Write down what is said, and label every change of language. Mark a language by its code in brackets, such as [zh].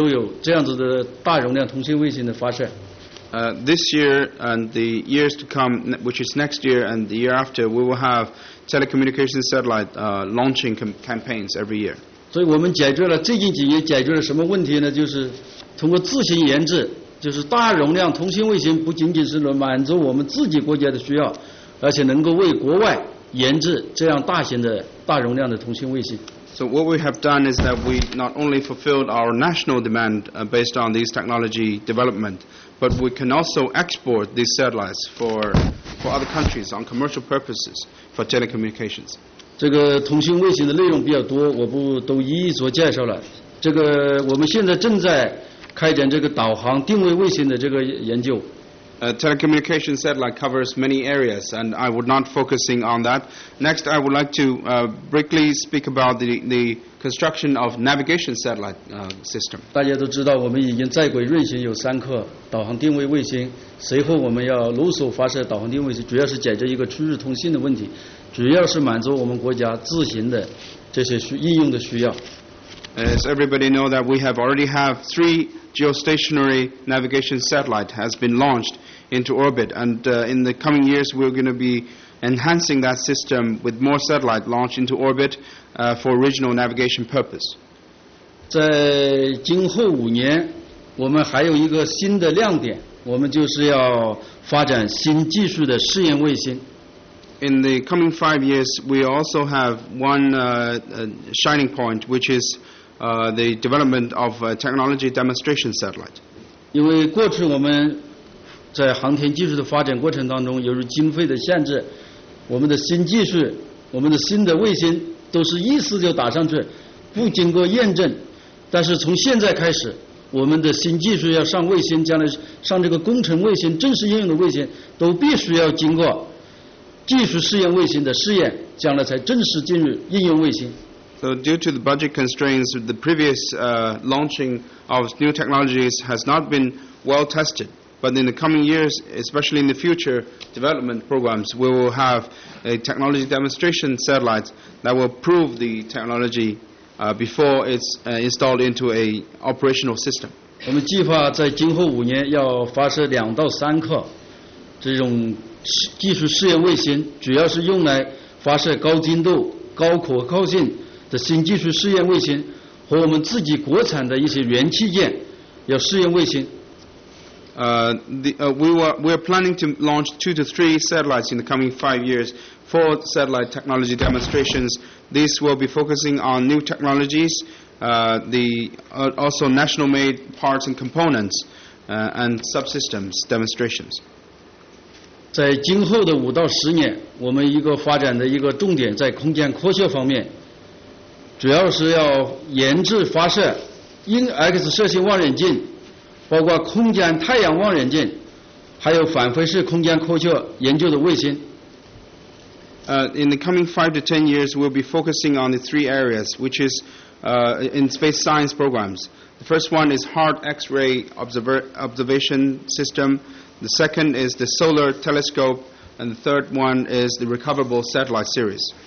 [zh] 这个今年、明年、后年，每年我们大概现在包括跟国外研制的这些通信卫星，大概每年都有这样子的大容量通信卫星的发射。 [en] This year and the years to come, which is next year and the year after, we will have telecommunication satellite launching campaigns every year. [zh] 所以我们解决了最近几年解决了什么问题呢？就是通过自行研制就是大容量通信卫星不仅仅是能满足我们自己国家的需要，而且能够为国外研制这样大型的大容量的通信卫星。 [en] So what we have done is that we not only fulfilled our national demand based on these technology development, but we can also export these satellites for other countries on commercial purposes for telecommunications. [zh] 这个通信卫星的内容比较多，我不都一一做介绍了。这个我们现在正在开展这个导航定位卫星的这个研究。 [en] Telecommunication satellite covers many areas, and I would not focusing on that. Next, I would like to briefly speak about the construction of navigation satellite system. [zh] 大家都知道，我们已经在轨运行有三颗导航定位卫星。随后我们要陆续发射导航定位卫星，主要是解决一个区域通信的问题，主要是满足我们国家自行的这些应用的需要。 [en] As everybody know that we have already have three geostationary navigation satellite has been launched into orbit, and in the coming years we're going to be enhancing that system with more satellite launched into orbit for regional navigation purpose. [zh] 在今后五年，我们还有一个新的亮点，我们就是要发展新技术的试验卫星。 [en] In the coming 5 years, we also have one shining point, which is the development of a technology demonstration satellite. [zh] 因为过去我们在航天技术的发展过程当中，由于经费的限制，我们的新技术、我们的新的卫星都是一次就打上去，不经过验证。但是从现在开始，我们的新技术要上卫星，将来上这个工程卫星、正式应用的卫星，都必须要经过技术试验卫星的试验，将来才正式进入应用卫星。 [en] So due to the budget constraints, the previous launching of new technologies has not been well tested. But in the coming years, especially in the future development programs, we will have a technology demonstration satellite that will prove the technology before it's installed into an operational system. [zh] 我们计划在今后五年要发射两到三颗这种技术试验卫星，主要是用来发射高精度、高可靠性的新技术试验卫星和我们自己国产的一些元器件，要试验卫星。 [en] We are planning to launch 2 to 3 satellites in the coming 5 years for satellite technology demonstrations. These will be focusing on new technologies, also national-made parts and components, and subsystems demonstrations. [zh] 在今后的5到10年，我们一个发展的一个重点在空间科学方面，主要是要研制发射鹰 X 射线望远镜，包括空间太阳望远镜，还有反飞式空间科学研究的卫星。 [en] In the coming 5 to 10 years, we'll be focusing on the three areas, which is in space science programs. The first one is hard X-ray observation system. The second is the solar telescope, and the third one is the recoverable satellite series.